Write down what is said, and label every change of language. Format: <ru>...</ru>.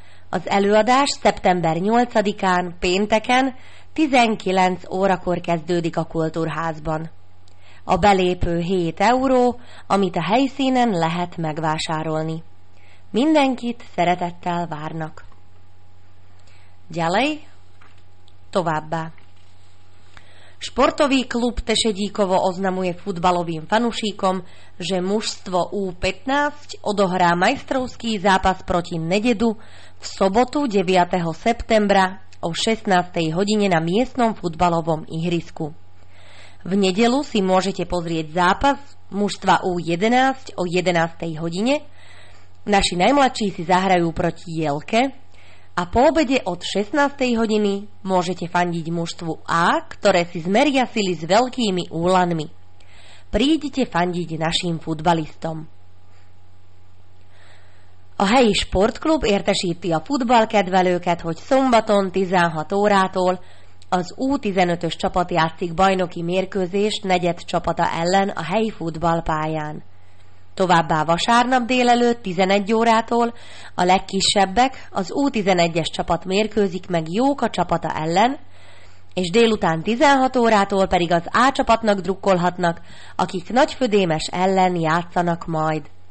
<hu>Az előadás szeptember 8-án, pénteken, 19 órakor kezdődik a Kultúrházban. A belépő 7 euró, amit a helyszínen lehet megvásárolni. Mindenkit szeretettel várnak.</hu> <sk>Ďalej,</sk> <hu>továbbá.</hu> <sk>Sportový klub Tešedíkovo oznamuje futbalovým fanušíkom, že mužstvo U15 odohrá majstrovský zápas proti Nededu v sobotu 9. septembra o 16. hodine na miestnom futbalovom ihrisku. V nedelu si môžete pozrieť zápas mužstva U11 o 11. hodine, naši najmladší si zahrajú proti Jelke, a po obede od 16. hodiny môžete fandiť mužstvu A, ktoré si zmeria sily s veľkými úlanmi. Prídite fandiť našim futbalistom.</sk> <hu>A helyi sportklub értesíti a futballkedvelőket, hogy szombaton 16 órától az U15-ös csapat játszik bajnoki mérkőzést negyed csapata ellen a helyi futballpályán. Továbbá vasárnap délelőtt 11 órától a legkisebbek, az U11-es csapat mérkőzik meg Jóka csapata ellen, és délután 16 órától pedig az A csapatnak drukkolhatnak, akik Nagyfödémes ellen játszanak majd.</hu>